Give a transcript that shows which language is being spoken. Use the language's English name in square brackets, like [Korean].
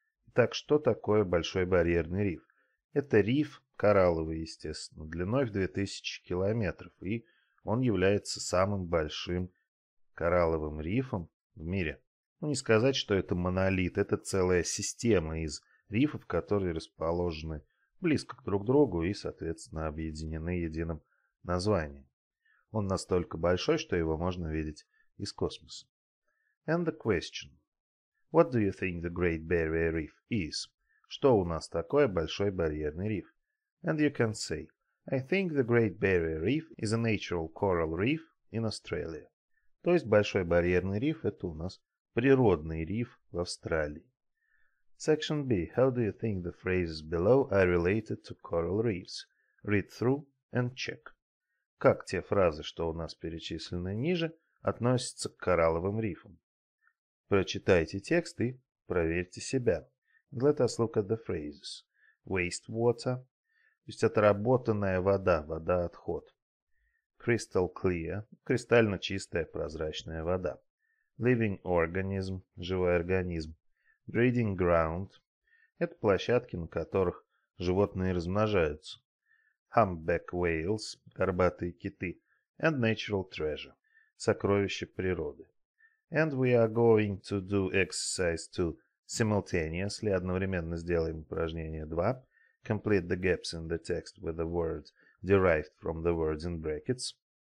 [Russian] Итак, что такое большой барьерный риф? Это риф, коралловый, естественно, длиной в 2000 километров, и он является самым большим коралловым рифом в мире. Ну, не сказать, что это монолит, это целая система из рифов, которые расположены близко друг к другу и, соответственно, объединены единым названием. Он настолько большой, что его можно видеть из космоса. [English] And the question. What do you think the Great Barrier Reef is? [Russian] Что у нас такое большой барьерный риф? [English] And you can say, I think the Great Barrier Reef is a natural coral reef in Australia. [Russian] То есть большой барьерный риф – это у нас природный риф в Австралии. [English] Section B. How do you think the phrases below are related to coral reefs? Read through and check. [Russian] Как те фразы, что у нас перечислены ниже, относятся к коралловым рифам? Прочитайте текст и проверьте себя. [English] Let us look at the phrases. Waste water. [Russian] То есть отработанная вода, вода-отход. [English] Crystal clear. [Russian] Кристально чистая, прозрачная вода. [English] Living organism. [Russian] Живой организм. [English] Breeding ground [Russian] – это площадки, на которых животные размножаются. Humpback whales – горбатые киты. And natural treasure – сокровище природы. [English] And we are going to do exercise 2 simultaneously. [Russian] Одновременно сделаем упражнение 2. [English] Complete the gaps in the text with the word derived from the words in brackets.